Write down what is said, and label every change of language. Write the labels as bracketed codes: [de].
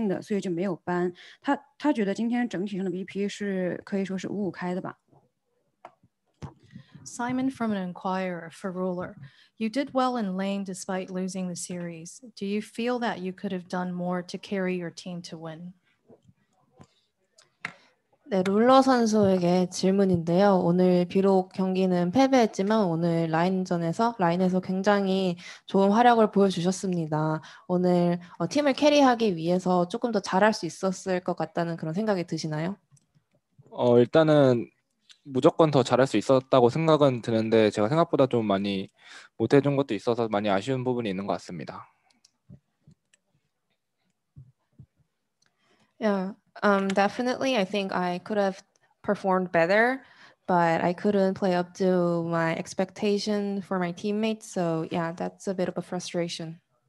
[zh] 因为不管是对上加里奥或者塞拉斯这两个英雄都是很有自信的，所以就没有搬。他觉得今天整体上的 BP 是可以说是五五开的吧。Simon [en] from an Inquirer for Ruler, you did well in lane despite losing the series. Do you feel that you could have done more to carry your team to win? [ko] 네, 룰러 선수에게 질문인데요. 오늘 비록 경기는 패배했지만 오늘 라인전에서 라인에서 굉장히 좋은 활약을 보여주셨습니다. 오늘 팀을 캐리하기 위해서 조금 더 잘할 수 있었을 것 같다는 그런 생각이 드시나요? 일단은 무조건 더 잘할 수 있었다고 생각은 드는데 제가 생각보다 좀 많이 못해준 것도 있어서 많이 아쉬운 부분이 있는 것 같습니다. [en] Yeah. Definitely, I think I could have performed better, but I couldn't play up to my expectation for my teammates. So yeah, that's a bit of a frustration.